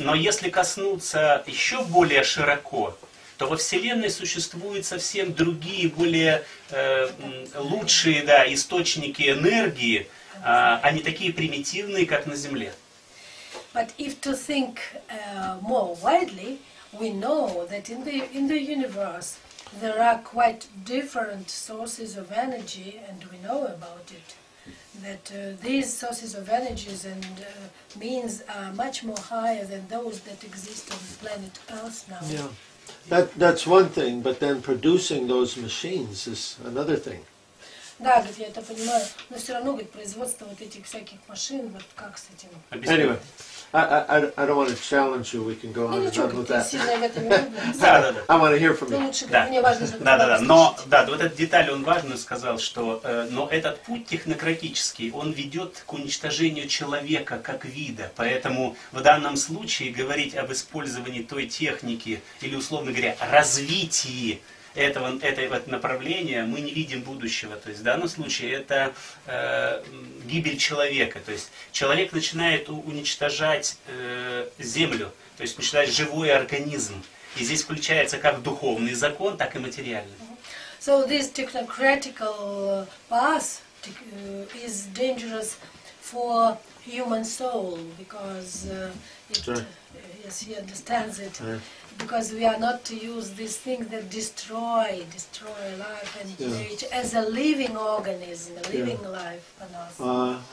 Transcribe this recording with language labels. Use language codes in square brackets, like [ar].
[ru] Но если коснуться еще более широко, то во Вселенной существуют совсем другие, более лучшие, да, источники энергии, а не такие примитивные, как на Земле. [en] But if to think more widely, we know that in the universe there are quite different sources of energy, and we know about it. That these sources of energies and means are much more higher than those that exist on the planet Earth now. Yeah, that's one thing. But then producing those machines is another thing. [ru] Да, говорит, я это понимаю, но все равно, говорит, производство вот этих всяких машин, вот как с этим? [en] Anyway. I don't want to challenge you. We can go on and talk about that. [ru] Да. [en] I want to hear from you. [ru] Да. Да. Но да, вот эта деталь, он важно сказал, что но этот путь технократический, он ведет к уничтожению человека как вида. Поэтому в данном случае говорить об использовании той техники или, условно говоря, развитии этого направления, мы не видим будущего. То есть в данном случае это гибель человека. То есть человек начинает уничтожать землю, то есть уничтожать живой организм. И здесь включается как духовный закон, так и материальный. [en] So this technocratical path is dangerous for human soul, because he understands it. Because we are not to use these things that destroy life and create as a living organism, a living life on Earth.